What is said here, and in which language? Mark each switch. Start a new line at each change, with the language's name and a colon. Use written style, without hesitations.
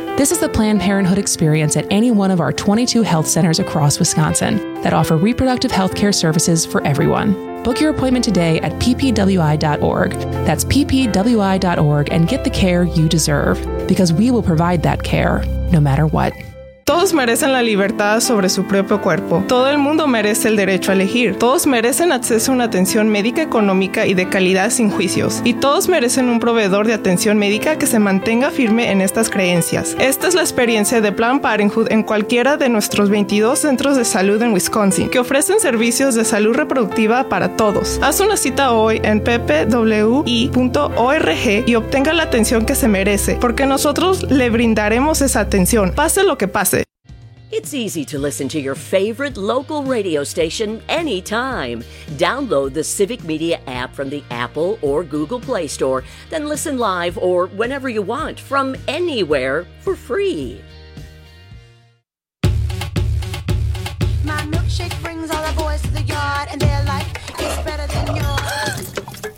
English: This is the Planned Parenthood experience at any one of our 22 health centers across Wisconsin that offer reproductive healthcare services for everyone. Book your appointment today at ppwi.org. That's ppwi.org, and get the care you deserve, because we will provide that care no matter what. The
Spanish: Todos merecen la libertad sobre su propio cuerpo. Todo el mundo merece el derecho a elegir. Todos merecen acceso a una atención médica económica y de calidad sin juicios. Y todos merecen un proveedor de atención médica que se mantenga firme en estas creencias. Esta es la experiencia de Planned Parenthood en cualquiera de nuestros 22 centros de salud en Wisconsin, que ofrecen servicios de salud reproductiva para todos. Haz una cita hoy en ppwi.org y obtenga la atención que se merece, porque nosotros le brindaremos esa atención, pase lo que pase.
English: It's easy to listen to your favorite local radio station anytime. Download the Civic Media app from the Apple or Google Play Store, then listen live or whenever you want from anywhere for free. My milkshake brings all the boys to the yard and they're like, it's better than yours.